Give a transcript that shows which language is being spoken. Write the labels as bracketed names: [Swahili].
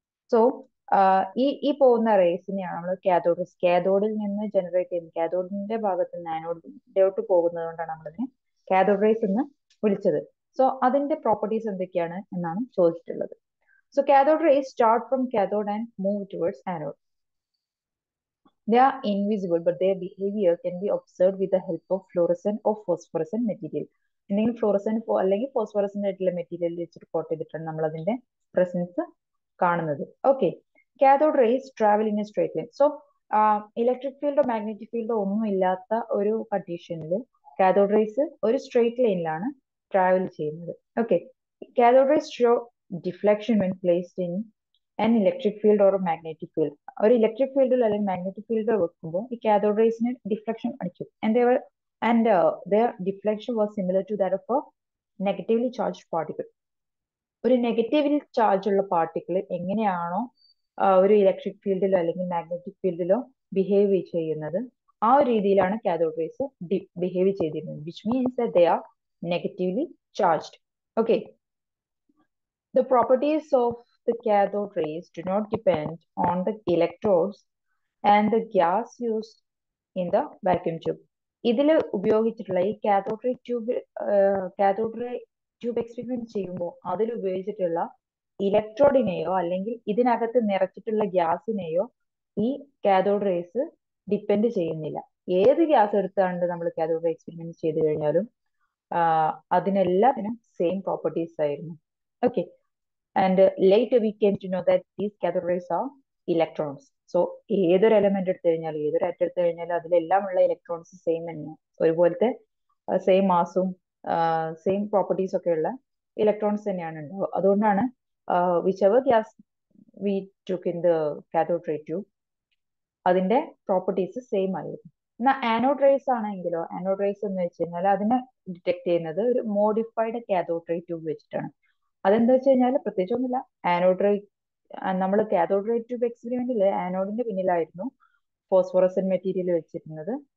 [Malayalam] So ഈ ഈ പോകുന്ന റേസിനെയാണ് നമ്മൾ കാഥോഡ് റേസ്, കാഥോഡിൽ നിന്ന് ജനറേറ്റ് ചെയ്യുന്ന കാഥോഡിന്റെ ഭാഗത്ത് നിന്ന് ആനോഡിലോട്ട് പോകുന്നതുകൊണ്ടാണ് നമ്മളതിനെ കാഥോഡ് റേസ് എന്ന് വിളിച്ചത്. സോ അതിന്റെ പ്രോപ്പർട്ടീസ് എന്തൊക്കെയാണ് എന്നാണ് ചോദിച്ചിട്ടുള്ളത്. [English] So cathode rays start from cathode and move towards anode. They are invisible, but their behavior can be observed with the help of fluorescent or phosphorescent material. [Malayalam] എന്തെങ്കിലും fluorescent അല്ലെങ്കിൽ ഫോസ്ഫോറസെന്റ് ആയിട്ടുള്ള material വെച്ചിട്ട് coat ചെയ്തിട്ടാണ് നമ്മൾ അതിന്റെ പ്രസൻസ് കാണുന്നത്. Okay, [English] Cathode rays travel in a straight line. [Malayalam] So electric ഫീൽഡോ magnetic ഫീൽഡോ ഒന്നും ഇല്ലാത്ത ഒരു കണ്ടീഷനിൽ കാഥോഡ് റേസ് ഒരു സ്ട്രേറ്റ് ലൈനിലാണ് ട്രാവൽ ചെയ്യുന്നത്. [English] Okay, cathode rays show deflection when placed in an electric field or magnetic field. [Malayalam] ഒരു ഇലക്ട്രിക് ഫീൽഡിൽ അല്ലെങ്കിൽ മാഗ്നറ്റിക് ഫീൽഡിൽ വെക്കുമ്പോൾ ഈ കാഥോഡ് റേസിന് ഡിഫ്ലക്ഷൻ അടിച്ചു. [English] And their deflection was similar to that of a negatively charged particle. [Malayalam] ഒരു negative charge ഉള്ള particle എങ്ങനെയാണോ ഒരു ഇലക്ട്രിക് ഫീൽഡിലോ അല്ലെങ്കിൽ മാഗ്നറ്റിക് ഫീൽഡിലോ ബിഹേവ് ചെയ്യുന്നത്, ആ ഒരു രീതിയിലാണ് കാഥോഡ് റേസ് ബിഹേവ് ചെയ്തിരുന്നത്. [English] Which means their negatively charged. Okay, the properties of The cathode rays do not depend on the electrodes and the gas used in the vacuum tube. [Malayalam] ഇതില് ഉപയോഗിച്ചിട്ടുള്ള ഈ cathode ray tube experiment ചെയ്യുമ്പോൾ അതിൽ ഉപയോഗിച്ചിട്ടുള്ള ഇലക്ട്രോഡിനെയോ അല്ലെങ്കിൽ ഇതിനകത്ത് നിറച്ചിട്ടുള്ള ഗ്യാസിനെയോ ഈ കാഥോഡ് റേസ് ഡിപ്പെൻഡ് ചെയ്യുന്നില്ല. ഏത് ഗ്യാസ് എടുത്താണ്ട് നമ്മൾ കാഥോഡ് റേ എക്സ്പെരിമെന്റ് ചെയ്ത് കഴിഞ്ഞാലും അതിനെല്ലാത്തിനും സെയിം പ്രോപ്പർട്ടീസ് ആയിരുന്നു. [English] Okay, And later we came to know that these cathode rays are electrons. [Malayalam] So, ഏതൊരു എലമെന്റ് എടുത്തു കഴിഞ്ഞാൽ ഏതൊരു ആറ്റം എടുത്തു കഴിഞ്ഞാൽ അതിലെല്ലാം ഉള്ള ഇലക്ട്രോൺസ് സെയിം തന്നെ, ഒരുപോലത്തെ സെയിം മാസും സെയിം പ്രോപ്പർട്ടീസ് ഒക്കെ ഉള്ള ഇലക്ട്രോൺസ് തന്നെയാണ് ഉണ്ടാവുക. അതുകൊണ്ടാണ് [English] whichever gas we took in the cathode ray tube, [Malayalam] അതിന്റെ പ്രോപ്പർട്ടീസ് സെയിം ആയിരുന്നു. എന്നാൽ ആനോഡ് റേസ് ആണെങ്കിലോ, ആനോഡ് റേസ് എന്ന് വെച്ച് കഴിഞ്ഞാൽ അതിനെ ഡിറ്റക്ട് ചെയ്യുന്നത് ഒരു മോഡിഫൈഡ് കാഥോഡ് റേ ട്യൂബ് വെച്ചിട്ടാണ്. അതെന്താ വെച്ച് കഴിഞ്ഞാൽ പ്രത്യേകിച്ച് ഒന്നുമില്ല, ആനോഡ് റേ നമ്മൾ കാഥോഡ് റേ ട്യൂബ് എക്സ്പെരിമെന്റിൽ ആനോഡിന്റെ പിന്നിലായിരുന്നു ഫോസ്ഫോറസെന്റ് മെറ്റീരിയൽ വെച്ചിരുന്നത്.